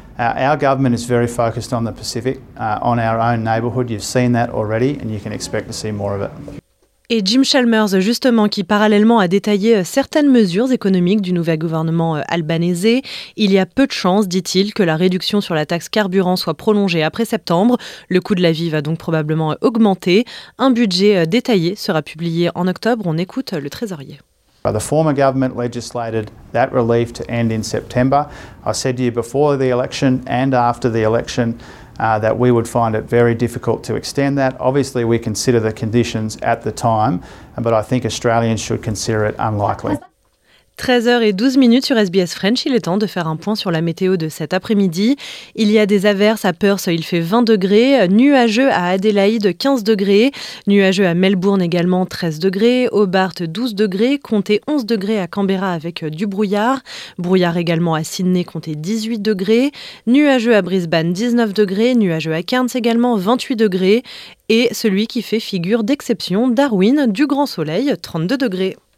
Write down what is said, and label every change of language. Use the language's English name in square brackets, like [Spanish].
[English] Our government is very focused on the Pacific, on our own neighbourhood. You've seen that already and you can expect to see more of it. [French] Et Jim Chalmers, justement, qui parallèlement a détaillé certaines mesures économiques du nouvel gouvernement albanaisé. Il y a peu de chances, dit-il, que la réduction sur la taxe carburant soit prolongée après septembre. Le coût de la vie va donc probablement augmenter. Un budget détaillé sera publié en octobre. On écoute le trésorier. [English] The former government legislated that relief to end in September. I said to you before the election and after the election that we would find it very difficult to extend that. Obviously, we consider the conditions at the time, but I think Australians should consider it unlikely. [French] 13h12 minutes sur SBS French, il est temps de faire un point sur la météo de cet après-midi. Il y a des averses à Perth, il fait 20 degrés, nuageux à Adélaïde 15 degrés, nuageux à Melbourne également 13 degrés, Hobart 12 degrés, comptez 11 degrés à Canberra avec du brouillard, brouillard également à Sydney comptez 18 degrés, nuageux à Brisbane 19 degrés, nuageux à Cairns également 28 degrés et celui qui fait figure d'exception, Darwin, du grand soleil 32 degrés.